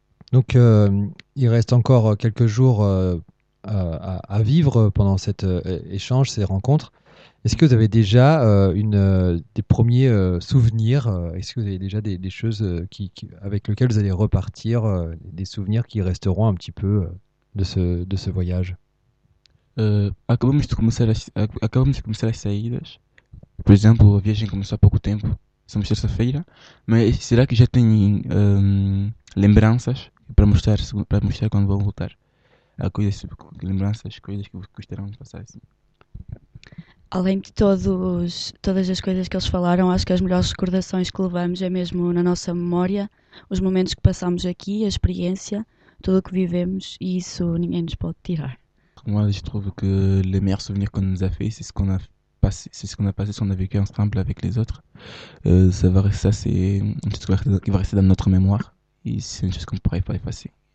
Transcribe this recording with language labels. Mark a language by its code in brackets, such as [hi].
[fr] Donc, il reste encore quelques jours à vivre pendant cet échange, ces rencontres. Est-ce que vous avez déjà des premiers souvenirs? Est-ce que vous avez déjà des choses avec lesquelles vous allez repartir, des souvenirs qui resteront un petit peu de ce voyage? [pt] Acabamos de começar a saídas. Por exemplo, a viagem começou há pouco tempo. Somos terça-feira. Mas será que já têm lembranças para mostrar quando vão voltar? Há coisas, lembranças, coisas que gostarão de passar assim. Além de todas as coisas que eles falaram, acho que as melhores recordações que levamos é mesmo na nossa memória, os momentos que passamos aqui, a experiência, tudo o que vivemos, e isso ninguém nos pode tirar. [fr] Moi, je trouve que les meilleurs souvenirs qu'on nous a fait, c'est ce qu'on a vécu ensemble avec les autres. Ça c'est une chose qui va rester dans notre mémoire et c'est une chose qu'on ne pourrait pas effacer.